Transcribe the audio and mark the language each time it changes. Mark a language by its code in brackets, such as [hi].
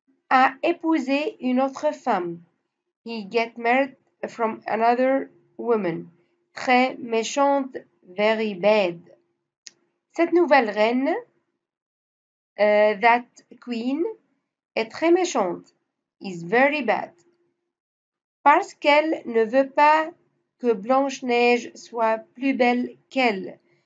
[fr] A épousé une autre femme. [en] He get married from another woman. [fr] Très méchante. [en] Very bad. [fr] Cette nouvelle reine, [en] that queen, [fr] est très méchante. [en] Is very bad. [fr] Parce qu'elle ne veut pas que Blanche-Neige soit plus belle qu'elle.